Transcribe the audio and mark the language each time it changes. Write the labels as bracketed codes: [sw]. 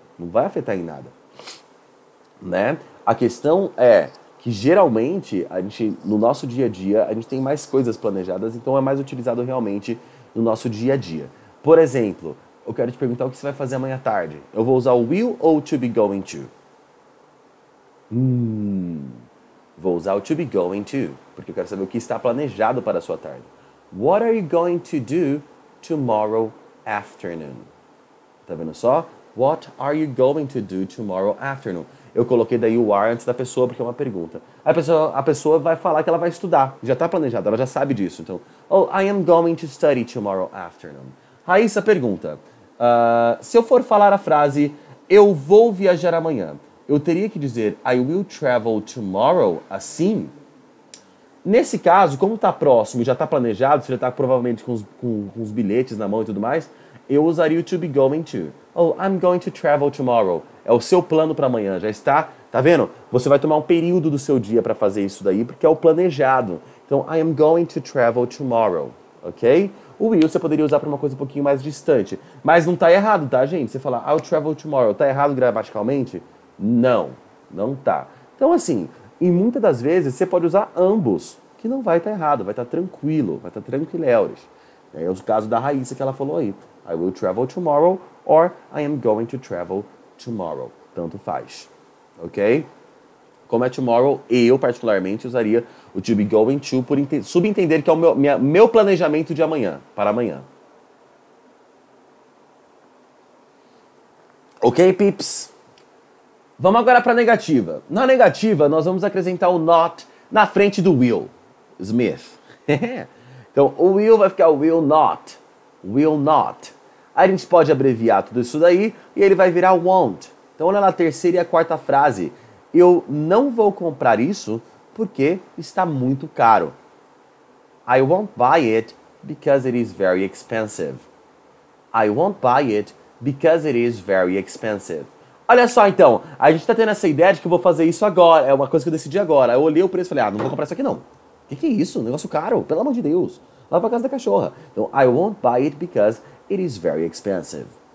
[pt] Não vai afetar em nada, né? A questão é que geralmente, a gente, no nosso dia a dia, a gente tem mais coisas planejadas, então é mais utilizado realmente no nosso dia a dia. Por exemplo, eu quero te perguntar o que você vai fazer amanhã à tarde. Eu vou usar o will ou o to be going to? Vou usar o to be going to, porque eu quero saber o que está planejado para a sua tarde. [en] What are you going to do tomorrow afternoon? [pt] Tá vendo só? [en] What are you going to do tomorrow afternoon? [pt] Eu coloquei daí o are antes da pessoa, porque é uma pergunta. A pessoa vai falar que ela vai estudar. Já está planejado, ela já sabe disso. [en] Então, oh, I am going to study tomorrow afternoon. [pt] Raíssa pergunta, se eu for falar a frase, eu vou viajar amanhã, eu teria que dizer, [en] I will travel tomorrow, [pt] assim? Nesse caso, como está próximo e já está planejado, você já está provavelmente com os bilhetes na mão e tudo mais, eu usaria o to be going to. [en] Oh, I'm going to travel tomorrow. [pt] É o seu plano para amanhã, já está? Tá vendo? Você vai tomar um período do seu dia para fazer isso daí, porque é o planejado. [en] Então, I am going to travel tomorrow, ok? [pt] O will você poderia usar para uma coisa um pouquinho mais distante. Mas não tá errado, tá, gente? Você falar, [en] I'll travel tomorrow, [pt] tá errado gramaticalmente? Não tá. Então, assim, E muitas das vezes você pode usar ambos, que não vai estar errado, vai estar tranquilo, vai estar tranquileiros. É o caso da Raíssa que ela falou aí: [en] I will travel tomorrow or I am going to travel tomorrow. [pt] Tanto faz. [en] Ok? [pt] Como é tomorrow, eu particularmente usaria o to be going to por subentender que é o meu planejamento de amanhã, para amanhã. Ok, Pips? Vamos agora para a negativa. Na negativa, nós vamos acrescentar o not na frente do will, Smith. Então, o will vai ficar will not. Will not. Aí a gente pode abreviar tudo isso daí e ele vai virar won't. Então, olha lá a terceira e a quarta frase. Eu não vou comprar isso porque está muito caro. [en] I won't buy it because it is very expensive. I won't buy it because it is very expensive. [pt] Olha só então, a gente está tendo essa ideia de que eu vou fazer isso agora. É uma coisa que eu decidi agora. Eu olhei o preço e falei, ah, não vou comprar isso aqui não. Que é isso? Negócio caro, pelo amor de Deus. Lava a casa da cachorra. [en] Então, I won't buy it because it is very expensive.